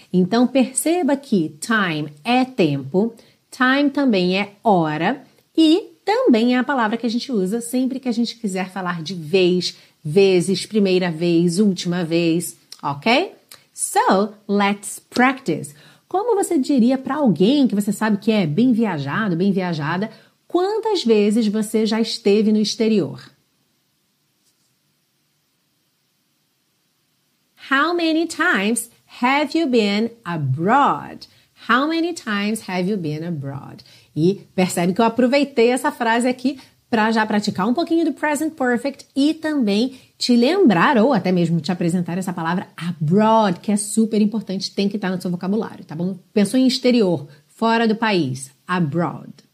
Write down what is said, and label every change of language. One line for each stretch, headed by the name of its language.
Portuguese: Então, perceba que time é tempo, time também é hora e também é a palavra que a gente usa sempre que a gente quiser falar de vez, vezes, primeira vez, última vez, ok?
English: So, let's practice.
Portuguese: Como você diria para alguém que você sabe que é bem viajado, bem viajada, quantas vezes você já esteve no exterior?
English: How many times have you been abroad? How many times have you been abroad?
Portuguese: E percebe que eu aproveitei essa frase aqui para já praticar um pouquinho do present perfect e também te lembrar ou até mesmo te apresentar essa palavra abroad, que é super importante, tem que estar no seu vocabulário, tá bom? Pensou em exterior, fora do país, abroad.